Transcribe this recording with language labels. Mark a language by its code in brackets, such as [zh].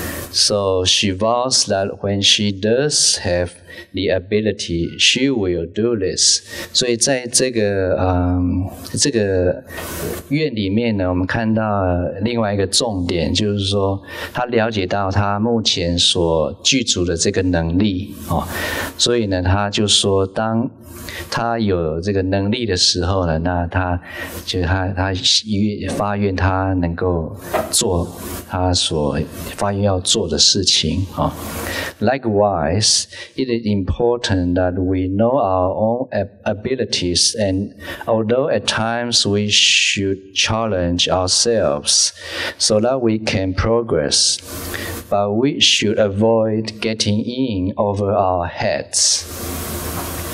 [en] So she vows that when she does have the ability, she will do this. [zh] 所以在这个愿里面呢，我们看到另外一个重点，就是说她了解到她目前所具足的这个能力哦，所以呢，她就说当他有这个能力的时候呢，那他就他发愿他能够做他所发愿要做的事情啊。 [en] Likewise, it is important that we know our own abilities, and although at times we should challenge ourselves so that we can progress, but we should avoid getting in over our heads.